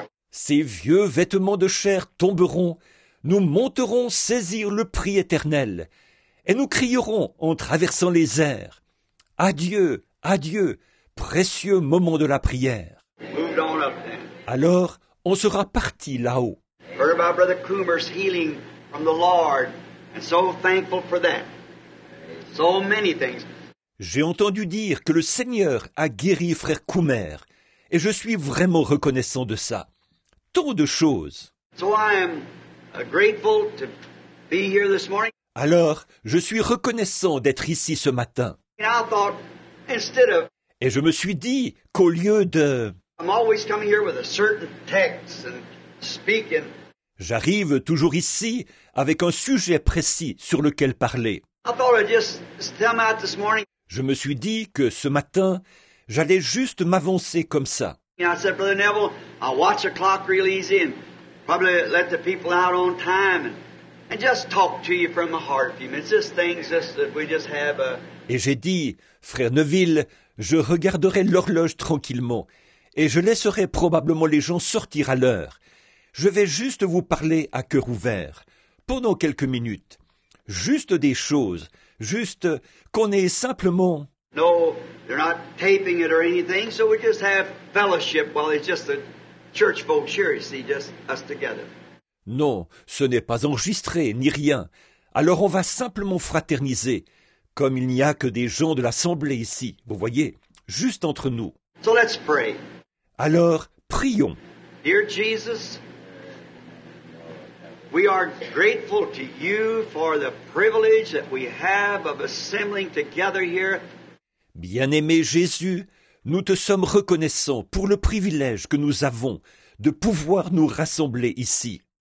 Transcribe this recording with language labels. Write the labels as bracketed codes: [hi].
[fr] Ces vieux vêtements de chair tomberont, nous monterons saisir le prix éternel, et nous crierons en traversant les airs. Adieu, adieu, précieux moment de la prière. [en] Moved on up then. [fr] Alors, on sera parti là-haut. [en] Heard about Brother Coomer's healing from the Lord, and so thankful for that. So many things. [fr] J'ai entendu dire que le Seigneur a guéri frère Coomer. Et je suis vraiment reconnaissant de ça. Tant de choses. [en] So I am grateful to be here this morning. [fr] Alors, je suis reconnaissant d'être ici ce matin. [en] And I thought, instead of, [fr] et je me suis dit qu'au lieu de [en] I'm always coming here with a certain text and speaking. [fr] J'arrive toujours ici avec un sujet précis sur lequel parler. [en] I thought I'd just stem out this morning. [fr] Je me suis dit que ce matin, j'allais juste m'avancer comme ça. [en] I said, Brother Neville, I'll watch the clock real easy and probably let the people out on time and just talk to you from the heart a few minutes. Just things just that we just have a. [fr] Et j'ai dit, frère Neville, je regarderai l'horloge tranquillement et je laisserai probablement les gens sortir à l'heure. Je vais juste vous parler à cœur ouvert pendant quelques minutes. Juste des choses, juste qu'on ait simplement. [en] No, they're not taping it or anything, so we just have fellowship while it's just the church folks here, you see, just us together. [fr] Non, ce n'est pas enregistré, ni rien. Alors on va simplement fraterniser, comme il n'y a que des gens de l'Assemblée ici, vous voyez, juste entre nous. [en] So let's pray. [fr] Alors, prions. [en] Dear Jesus, we are grateful to you for the privilege that we have of assembling together here. [fr] Bien-aimé Jésus, nous te sommes reconnaissants pour le privilège que nous avons de pouvoir nous rassembler ici.